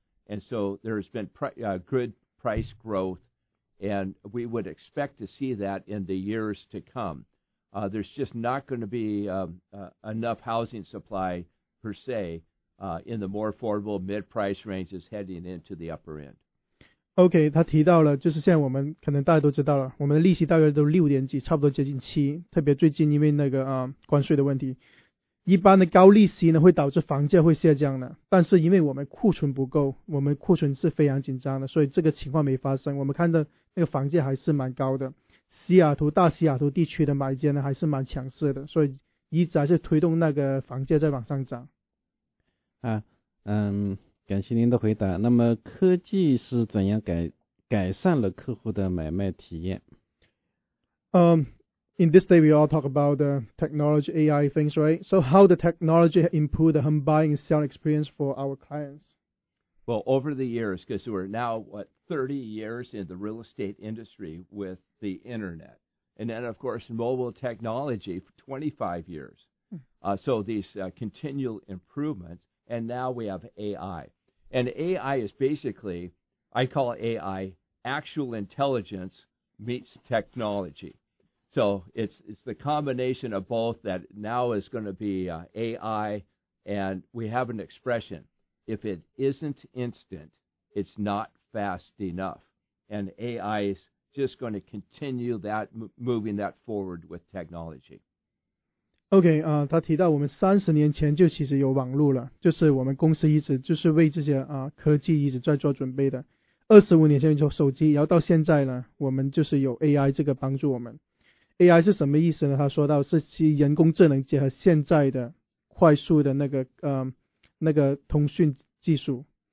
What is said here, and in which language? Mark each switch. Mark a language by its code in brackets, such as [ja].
[en] And so there's been good price growth, and we would expect to see that in the years to come. There's just not going to be enough housing supply, per se, in the more affordable mid-price ranges heading into the upper end. [zh] OK, 他提到了就是现在我们可能大家都知道了，我们的利息大约都6点几，差不多接近7，特别最近因为那个关税的问题。一般的高利息呢会导致房价会下降的，但是因为我们库存不够，我们库存是非常紧张的，所以这个情况没发生。我们看到那个房价还是蛮高的，西雅图大西雅图地区的买家呢还是蛮强势的，所以一直还是推动那个房价在往上涨。啊，嗯，感谢您的回答。那么科技是怎样改善了客户的买卖体验？ [en] In this day, we all talk about the technology, AI things, right? So how the technology improved the home buying and selling experience for our clients? Well, over the years, because we're now, 30 years in the real estate industry with the internet. And then, of course, mobile technology for 25 years. So these continual improvements. And now we have AI. And AI is basically, I call AI, actual intelligence meets technology. So it's the combination of both that now is going to be AI, and we have an expression, if it isn't instant, it's not fast enough. And AI is just going to continue that, moving that forward with technology. [zh] Okay, 他提到我们30年前就其实有网路了，就是我们公司一直就是为这些科技一直在做准备的。 25年前有手机，然后到现在呢，我们就是有 AI 这个帮助我们。AI 是什么意思呢？他说到是其人工智能结合现在的快速的那个通讯技术。